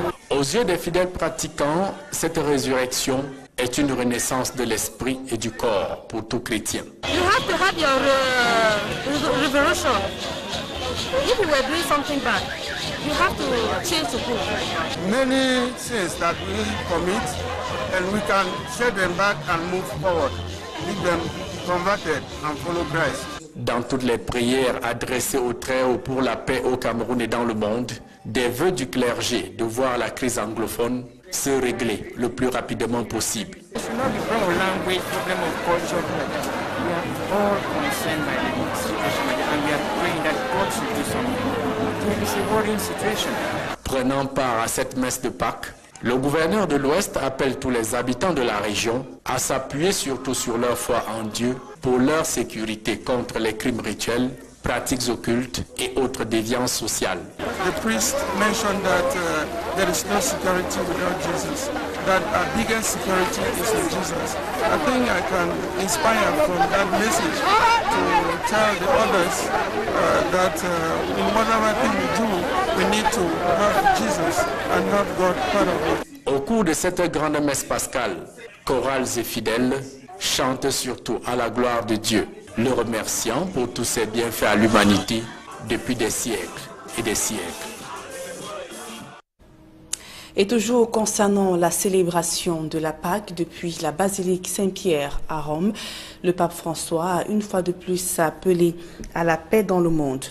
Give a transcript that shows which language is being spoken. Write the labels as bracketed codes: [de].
[fr] Aux yeux des fidèles pratiquants, cette résurrection est une renaissance de l'esprit et du corps pour tout chrétien. [en] You have to have your resurrection. If you were doing something bad, you have to change the book. Many sins that we commit and we can shed them back and move forward. Leave them converted and follow Christ. [fr] Dans toutes les prières adressées au Très-Haut pour la paix au Cameroun et dans le monde, des vœux du clergé de voir la crise anglophone se régler le plus rapidement possible. [en] It's not the problem of language, problem of culture. We are all concerned. concerned by the situation, and we are praying that God should do something. It is a worrying situation. [fr] Prenant part à cette messe de Pâques, le gouverneur de l'Ouest appelle tous les habitants de la région à s'appuyer surtout sur leur foi en Dieu pour leur sécurité contre les crimes rituels, pratiques occultes et autres déviances sociales. [en] The priest mentioned that there is no security without Jesus, that our biggest security is in Jesus. I think I can inspire from that message to tell the others that in whatever thing we do, we need to have Jesus and have God part of us. [fr] Au cours de cette grande messe pascale, chorales et fidèles chantent surtout à la gloire de Dieu, le remerciant pour tous ses bienfaits à l'humanité depuis des siècles et des siècles. Et toujours concernant la célébration de la Pâque depuis la basilique Saint-Pierre à Rome, le pape François a une fois de plus appelé à la paix dans le monde.